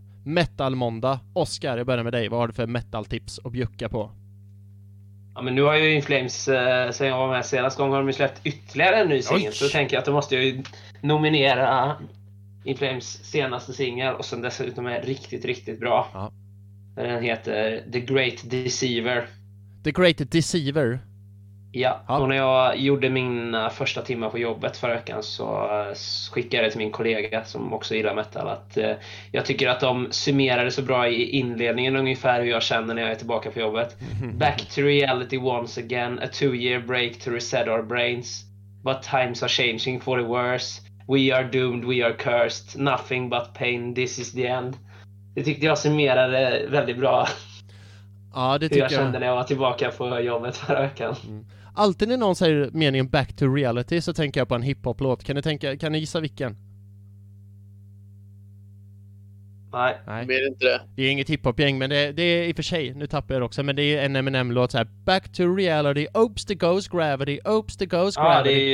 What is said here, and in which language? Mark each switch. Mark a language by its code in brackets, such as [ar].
[sv] Metalmåndag, Oskar, jag börjar med dig, vad har du för metaltips att bjucka på? Ja, men nu har ju Inflames, sen jag var med senast gången, har de släppt ytterligare en ny singel. Så tänker jag att då måste jag ju nominera In Flames senaste singel och som dessutom är riktigt, riktigt bra. Ja. Den heter The Great Deceiver. The Great Deceiver? Ja, ja. Och när jag gjorde min första timme på jobbet förra veckan så skickade jag det till min kollega som också gillar metal att jag tycker att de summerade så bra i inledningen ungefär hur jag känner när jag är tillbaka på jobbet. [en] Back to reality once again, a 2-year break to reset our brains, but times are changing for the worse. We are doomed, we are cursed, nothing but pain, this is the end. [sv] Det tyckte jag summerade väldigt bra. Ja, det tycker jag kände när jag var tillbaka på jobbet förra veckan. Mm. Alltid när någon säger meningen [en] back to reality [sv] så tänker jag på en hiphop-låt. Kan ni gissa vilken? Nej, jag vet inte det. Det är inget hiphop-gäng, men det är i och för sig, nu tappar jag också, men det är en Eminem-låt så här. [en] Back to reality, oops, the ghost gravity, oops, the ghost gravity.